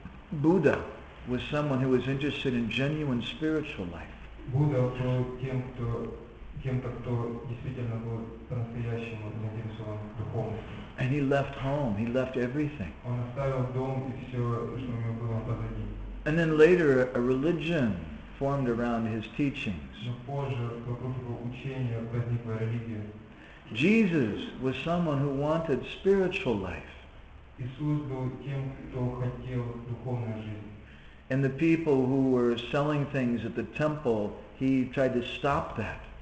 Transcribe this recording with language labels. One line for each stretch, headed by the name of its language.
English: Buddha was someone who was interested in genuine spiritual life.
Russian: Buddha
English: was
Russian: кем-то, действительно был по-настоящему заинтересован в духовности.
English: And he left home, he left everything.
Russian: Он оставил дом и все, что у него было позади.
English: And then later a religion formed around his teachings.
Russian: Но позже вокруг его учения возникла религия.
English: Jesus was someone who wanted spiritual life.
Russian: Иисус был тем, кто хотел духовную жизнь.
English: And the people who were selling things at the temple, he tried to stop that.